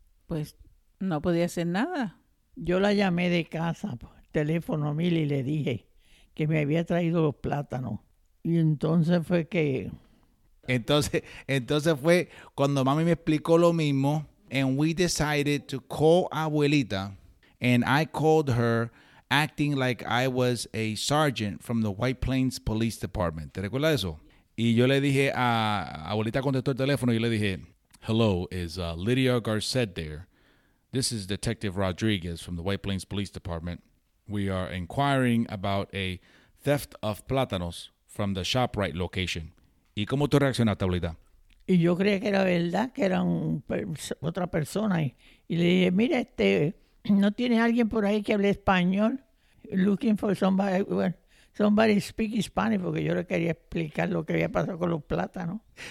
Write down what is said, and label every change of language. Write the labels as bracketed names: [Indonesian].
[Spanish] Pues no podía hacer nada. Yo la llamé de casa por teléfono a Mili y le dije que me había traído los plátanos. Y entonces fue que... Entonces fue cuando mami me explicó lo mismo. [English] And we decided to call abuelita. And I called her acting like I was a sergeant from the White Plains Police Department. [Spanish] ¿Te recuerdas eso? Y yo le dije a abuelita, contestó el teléfono y le dije, [English] hello, is Lydia Garcet there? This is Detective Rodriguez from the White Plains Police Department. We are inquiring about a theft of plátanos from the ShopRite location. [Spanish] ¿Y cómo tú reaccionaste, abuelita? Y yo creía que era verdad, que era otra persona. Y le dije, mira, ¿no tienes alguien por ahí que hable español? [English] Looking for somebody speak Spanish, [Spanish] porque yo le quería explicar lo que había pasado con los plátanos.